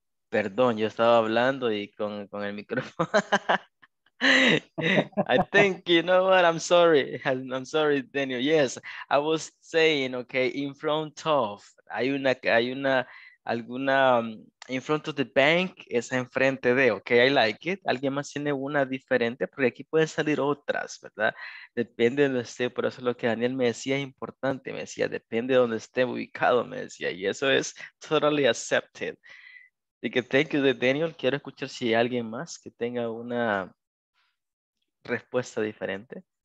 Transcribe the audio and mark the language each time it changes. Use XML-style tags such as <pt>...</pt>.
<es>Perdón, yo estaba hablando y con el micrófono.</es> <en>I think, you know what, I'm sorry, Daniel. Yes, I was saying, okay, in front of,</en> <es>hay una</es> <en>alguna in front of the bank</en> <es>es enfrente de,</es> <en>ok, I like it.</en> <es>Alguien más tiene una diferente, porque aquí pueden salir otras, ¿verdad? Depende de donde esté, por eso lo que Daniel me decía es importante, me decía, depende de donde esté ubicado, me decía, y eso es</es> <en>totally accepted.</en> <es>Así que</es> <en>thank you,</en> <es>Daniel. Quiero escuchar si hay alguien más que tenga una respuesta diferente.</es>